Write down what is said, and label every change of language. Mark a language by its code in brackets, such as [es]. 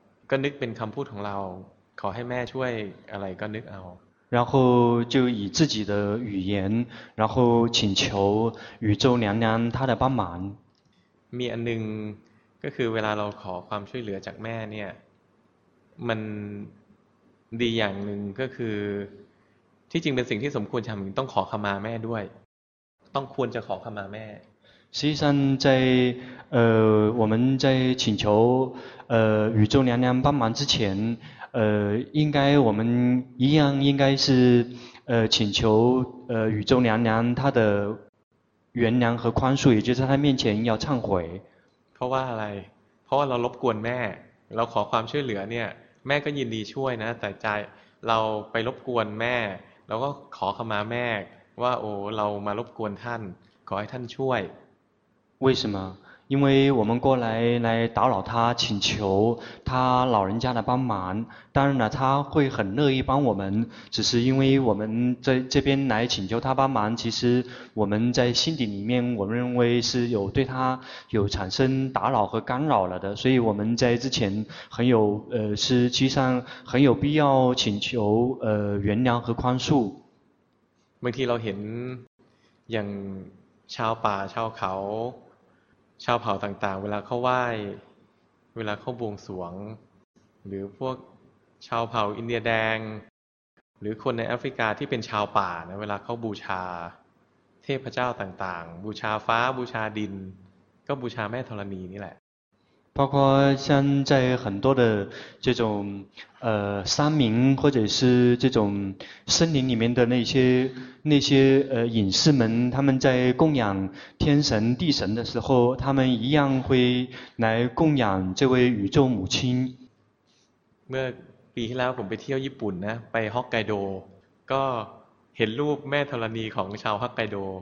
[th] ก็นึกเป็นคำพูดของเราขอให้แม่ช่วยอะไรก็นึกเอา [zh] 然后就以自己的语言然后请求宇宙娘娘她的帮忙 [th] มีอันหนึ่งก็คือเวลาเราขอความช่วยเหลือจากแม่เนี่ยมันดีอย่างหนึ่งก็คือที่จริงเป็นสิ่งที่สมควรทำต้องขอขมาแม่ด้วยต้องควรจะขอขมาแม่ [zh] 实际上在我们在请求宇宙娘娘帮忙之前应该我们一样应该是请求宇宙娘娘她的原谅和宽恕也就是她面前要忏悔 [th] เพราะว่าอะไรเพราะว่าเรารบกวนแม่เราขอความช่วยเหลือเนี่ยแม่ก็ยินดีช่วยนะแต่ใจเราไปรบกวนแม่เราก็ขอขมาแม่ว่าโอ้เรามารบกวนท่านขอให้ท่านช่วย [zh] 为什么因为我们过来打扰他请求他老人家的帮忙当然了他会很乐意帮我们只是因为我们在这边来请求他帮忙其实我们在心底里面我们认为是有对他有产生打扰和干扰了的所以我们在之前很有实际上很有必要请求原谅和宽恕 [th] บางทีเราเห็นอย่างชาวป่าชาวเขาชาวเผ่าต่างๆเวลาเข้าไหว้เวลาเข้าบวงสรวงหรือพวกชาวเผ่าอินเดียแดงหรือคนในแอฟริกาที่เป็นชาวป่านะเวลาเข้าบูชาเทพเจ้าต่างๆบูชาฟ้าบูชาดินก็บูชาแม่ธรณีนี่แหละ [zh] 包括像在很多的这种山民或者是这种森林里面的那些隐士们他们在供养天神地神的时候他们一样会来供养这位宇宙母亲 [th] เมื่อปีที่แล้วผมไปเที่ยวญี่ปุ่นนะไปฮอกไกโดก็เห็นรูปแม่ธรณีของชาวฮอกไกโด